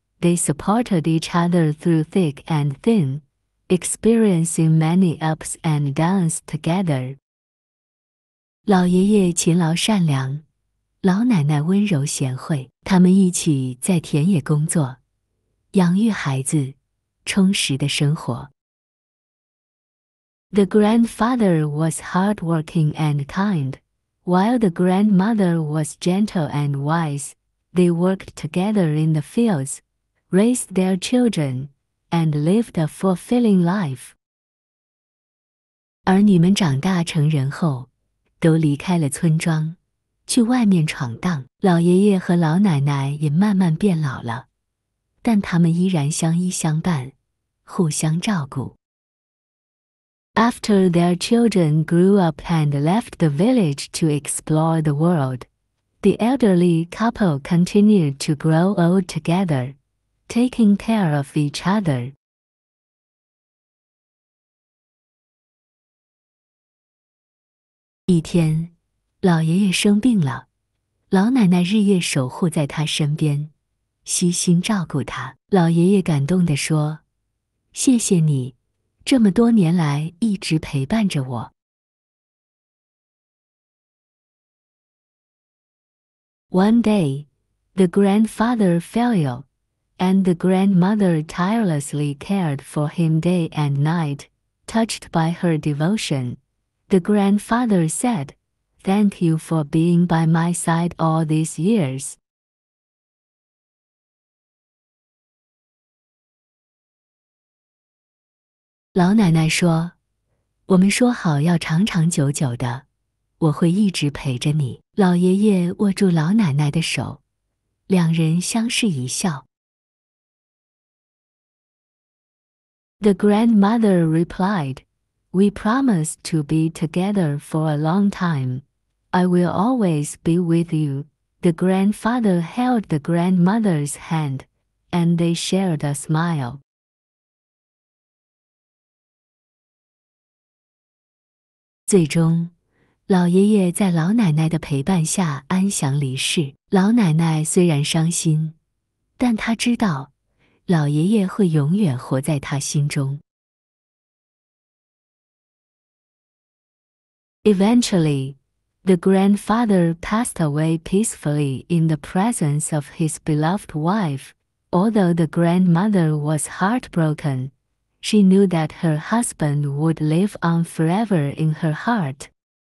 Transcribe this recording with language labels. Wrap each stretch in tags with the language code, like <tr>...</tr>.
<en>They supported each other through thick and thin, experiencing many ups and downs together.</en> <zh>老爷爷勤劳善良，老奶奶温柔贤惠，他们一起在田野工作，养育孩子，充实的生活。</zh> <en>The grandfather was hardworking and kind, while the grandmother was gentle and wise. They worked together in the fields, raised their children, and lived a fulfilling life.</en> <zh>儿女们长大成人后，都离开了村庄，去外面闯荡。老爷爷和老奶奶也慢慢变老了，但他们依然相依相伴，互相照顾。</zh> <en>After their children grew up and left the village to explore the world, the elderly couple continued to grow old together, taking care of each other.</en> <zh>一天，老爷爷生病了，老奶奶日夜守护在他身边，悉心照顾他。老爷爷感动地说，谢谢你，这么多年来一直陪伴着我。</zh> <en>One day, the grandfather fell ill, and the grandmother tirelessly cared for him day and night. Touched by her devotion, the grandfather said, "Thank you for being by my side all these years."</en> <zh>老奶奶说，我们说好要长长久久的，我会一直陪着你。老爷爷握住老奶奶的手，两人相视一笑。</zh> <en>The grandmother replied, "We promise to be together for a long time. I will always be with you." The grandfather held the grandmother's hand, and they shared a smile.</en> <zh>最终，老爷爷在老奶奶的陪伴下安详离世。老奶奶虽然伤心，但她知道，老爷爷会永远活在她心中。</zh> <en>Eventually, the grandfather passed away peacefully in the presence of his beloved wife. Although the grandmother was heartbroken, she knew that her husband would live on forever in her heart.</en>